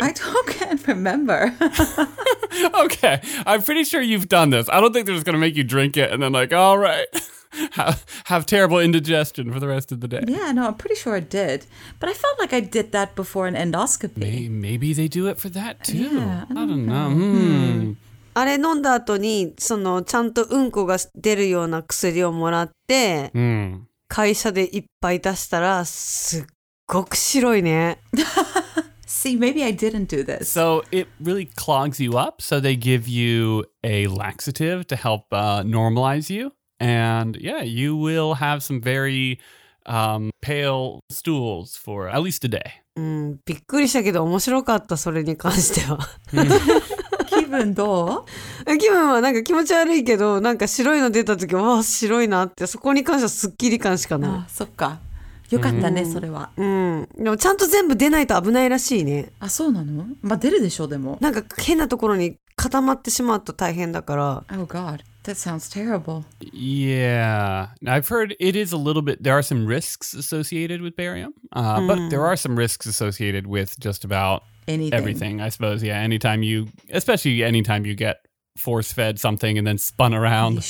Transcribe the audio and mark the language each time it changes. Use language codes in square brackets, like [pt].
[en] I don't remember. Okay, I'm pretty sure you've done this. I don't think they're just going to make you drink it and then like, all right, have terrible indigestion for the rest of the day. Yeah, no, I'm pretty sure I did. But I felt like I did that before an endoscopy. Maybe they do it for that too. Yeah, I don't know. [ja] あれ飲んだ後にそのちゃんとうんこが出るような薬をもらって、会社でいっぱい出したらすっごく白いね。 [en] See, maybe I didn't do this. So it really clogs you up. So they give you a laxative to help normalize you. And yeah, you will have some very pale stools for at least a day. [ja] びっくりしたけど面白かった、それに関しては。気分どう？気分はなんか気持ち悪いけど、なんか白いの出た時、わあ白いなって、そこに関してはすっきり感しかない。そっか。よかったね、それは。でもちゃんと全部出ないと危ないらしいね。あ、そうなの？まあ出るでしょう、でも。なんか変なところに固まってしまうと大変だから。 [en] Oh God, that sounds terrible. Yeah, I've heard it is a little bit, there are some risks associated with barium, but there are some risks associated with just about everything, I suppose. Yeah, especially anytime you get force-fed something and then spun around.